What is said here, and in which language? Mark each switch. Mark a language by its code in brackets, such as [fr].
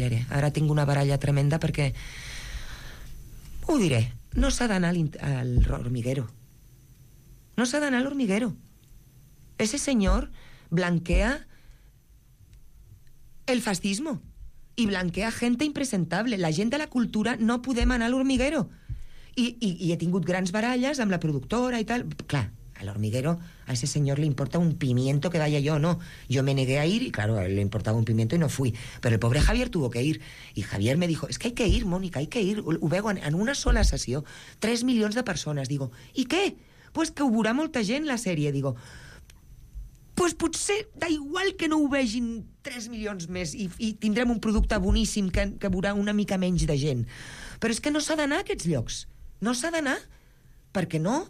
[ca] Ara tinc una baralla tremenda perquè... Ho diré, no s'ha d'anar al hormiguero. No s'ha d'anar a l'hormiguero. [es] Ese senyor blanquea el fascismo i blanquea gente impresentable. [ca] La gent de la cultura no podem anar a l'hormiguero. I he tingut grans baralles amb la productora i tal. [es] Clar, a l'hormiguero a ese senyor li importa un pimiento que vaya yo, no. Jo me negué a ir i, claro, le importava un pimiento i no fui. [ca] Però el pobre Javier [es] tuvo que ir. I Javier me dijo, es que hay que ir, Mónica, hay que ir. [ca] Ho veu en una sola sessió. 3 milions de persones. [es] Digo, ¿y qué? [ca] Pues que ho veurà molta gent, la sèrie. [es] Digo, pues [ca] potser d'igual que no ho vegin 3 milions més i tindrem un producte boníssim que veurà una mica menys de gent. Però és que no s'ha d'anar a aquests llocs. No s'ha d'anar. Per què no?